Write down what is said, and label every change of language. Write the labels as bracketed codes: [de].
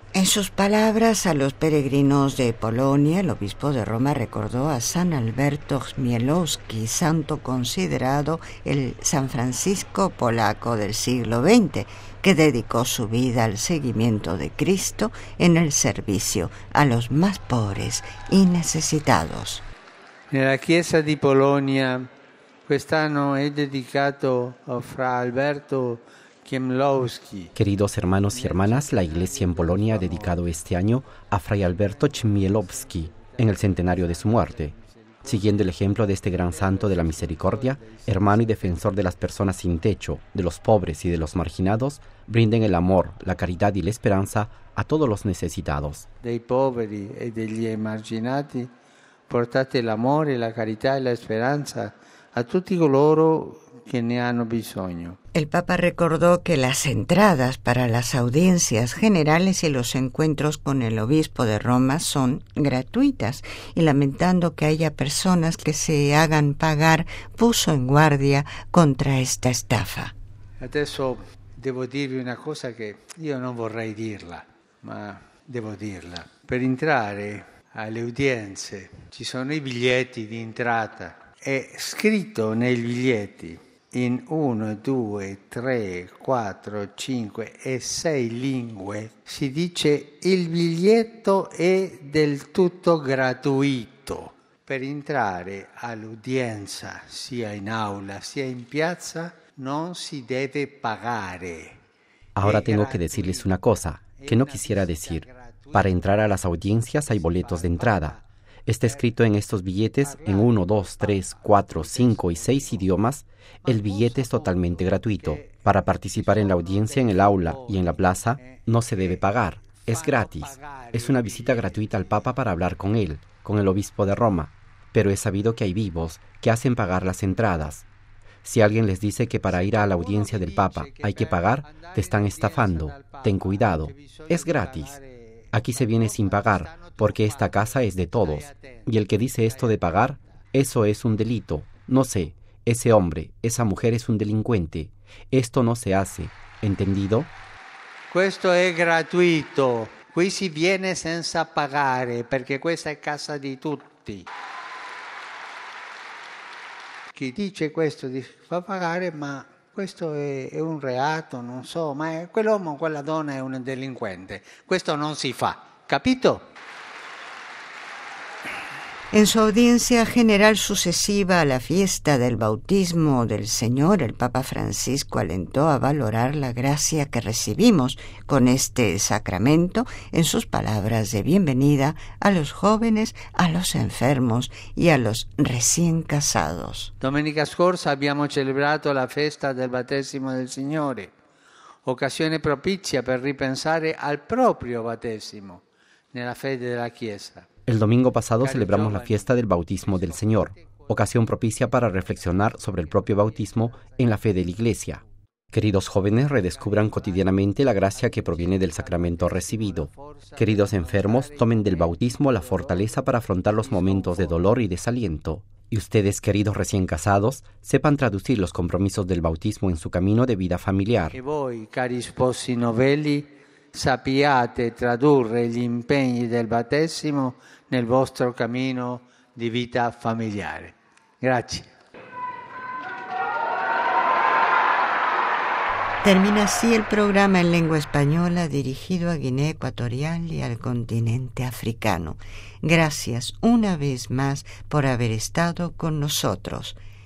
[es] En sus palabras a los peregrinos de Polonia, el obispo de Roma recordó a San Alberto Chmielowski, santo considerado el San Francisco polaco del siglo XX, que dedicó su vida al seguimiento de Cristo en el servicio a los más pobres y necesitados. [it] En la Chiesa di Polonia, quest'anno è dedicato a Fra Alberto Chmielowski. [es] Queridos hermanos y hermanas, la Iglesia en Polonia ha dedicado este año a Fray Alberto Chmielowski en el centenario de su muerte. Siguiendo el ejemplo de este gran santo de la misericordia, hermano y defensor de las personas sin techo, de los pobres y de los marginados, brinden el amor, la caridad y la esperanza a todos los necesitados. [it] Dei poveri e degli emarginati, portate l'amore, la carità e la speranza a tutti coloro que ne hanno bisogno. [es] El Papa recordó que las entradas para las audiencias generales y los encuentros con el obispo de Roma son gratuitas, y lamentando que haya personas que se hagan pagar, puso en guardia contra esta estafa. [it] Adesso devo dirvi una cosa che io non vorrei dirla, ma devo dirla. Per entrare alle udienze ci sono i biglietti di entrata. È scritto nei biglietti in 1, 2, 3, 4, 5 e 6 lingue. Si dice il biglietto è del tutto gratuito. Per entrare all'udienza, sia in aula sia in piazza, non si deve pagare. [es] Ahora tengo que decirles una cosa que no quisiera decir. Para entrar a las audiencias hay boletos de entrada. Está escrito en estos billetes en 1, 2, 3, 4, 5 y 6 idiomas. El billete es totalmente gratuito. Para participar en la audiencia en el aula y en la plaza, no se debe pagar. Es gratis. Es una visita gratuita al Papa para hablar con él, con el obispo de Roma. Pero he sabido que hay vivos que hacen pagar las entradas. Si alguien les dice que para ir a la audiencia del Papa hay que pagar, te están estafando. Ten cuidado. Es gratis. Aquí se viene sin pagar, porque esta casa es de todos. Y el que dice esto de pagar, eso es un delito. No sé, ese hombre, esa mujer es un delincuente. Esto no se hace, ¿entendido? Esto es gratuito. [it] Qui si viene senza pagare, porque questa è casa di tutti. Chi dice questo di fa pagare, ma questo è un reato, non so, ma quell'uomo o quella donna è un delinquente. Questo non si fa, capito? [es] En su audiencia general sucesiva a la fiesta del bautismo del Señor, el Papa Francisco alentó a valorar la gracia que recibimos con este sacramento en sus palabras de bienvenida a los jóvenes, a los enfermos y a los recién casados. [it] Domenica scorsa abbiamo celebrato la festa del battesimo del Signore, occasione propizia per ripensare al proprio battesimo nella fede della Chiesa. [es] El domingo pasado celebramos la fiesta del bautismo del Señor, ocasión propicia para reflexionar sobre el propio bautismo en la fe de la Iglesia. Queridos jóvenes, redescubran cotidianamente la gracia que proviene del sacramento recibido. Queridos enfermos, tomen del bautismo la fortaleza para afrontar los momentos de dolor y desaliento. Y ustedes, queridos recién casados, sepan traducir los compromisos del bautismo en su camino de vida familiar. [it] Y voi, cari sposi novelli, sappiate tradurre gli impegni del battesimo nel vostro cammino di vita familiare. Grazie. [es] Termina así el programa en lengua española dirigido a Guinea Ecuatorial y al continente africano. Gracias una vez más por haber estado con nosotros.